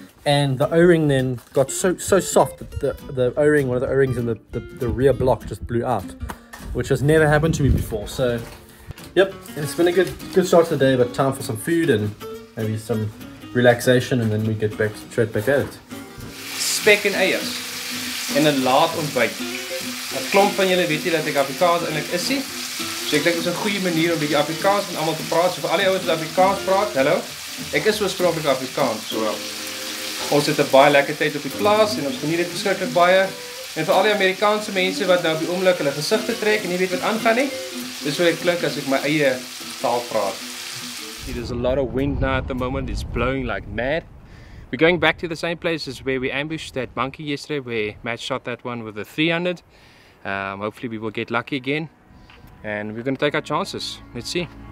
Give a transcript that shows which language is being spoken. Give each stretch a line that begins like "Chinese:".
English: And the O-ring then got so soft that the O-ring, one of the O-rings in the rear block just blew out, which has never happened to me before. So, yep, it's been a good start to the day, but time for some food and maybe some relaxation, and then we get back straight back at it.
Afrikaans: Spek en eiers en 'n laat ontbyt. 'N Klomp van julle weet nie dat ek Afrikaans eintlik is nie. So ek dink dit is 'n goeie manier om bietjie Afrikaans met almal te praat. So vir al die ouens wat Afrikaans praat, hallo. Ek is oorspronklik Afrikaans, so. Ons het 'n baie lekker tyd op die plaas en ons geniet dit verskriklik baie. En vir al die Amerikaanse mense wat nou op die oomblik hulle gesigte trek en nie weet wat aangaan nie, dis hoe ek klink as ek my eie taal praat.
English: There's a lot of wind now at the moment. It's blowing like mad. We're going back to the same place as where we ambushed that monkey yesterday, where Matt shot that one with the 300. Hopefully we will get lucky again. And we're going to take our chances. Let's see.